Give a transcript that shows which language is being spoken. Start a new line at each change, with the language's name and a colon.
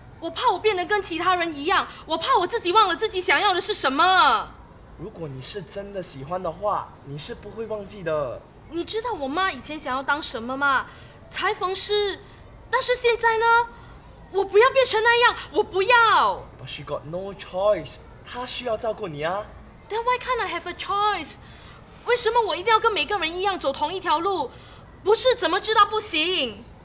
Chinese: 我怕我变得跟其他人一样，我怕我自己忘了自己想要的是什么。如果你是真的喜欢的话，你是不会忘记的。你知道我妈以前想要当什么吗？裁缝师。但是现在呢？我不要变成那样，我不要。
English: But she got no choice，
Chinese: 她需要照顾你啊。
English: Then why can't I have a choice？
Chinese: 为什么我一定要跟每个人一样走同一条路？不是怎么知道不行？